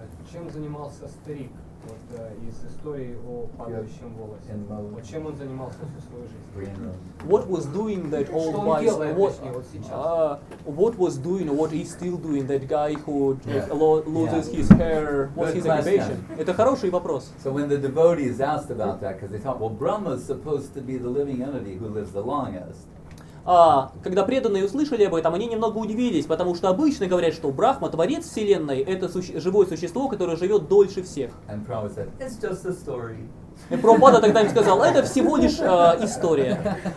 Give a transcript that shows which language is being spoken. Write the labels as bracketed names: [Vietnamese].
[Russian] Чем занимался старик вот, из истории о падающем волосе? Вот чем он занимался всю свою жизнь? [English] What was doing that old guy? What was doing? What is still doing that guy who loses his hair? What's his occupation? [Russian] Это хороший вопрос. [English] So when the devotee is asked about that, because they thought, well, Brahma is supposed to be the living entity who lives the longest. [Russian] Когда преданные услышали об этом, они немного удивились, потому что обычно говорят, что Брахма, творец вселенной, это живое существо, которое живет дольше всех. [English] And Prabhupada said, it's just a story. [Russian] И Прабхупада тогда им сказал, это всего лишь история.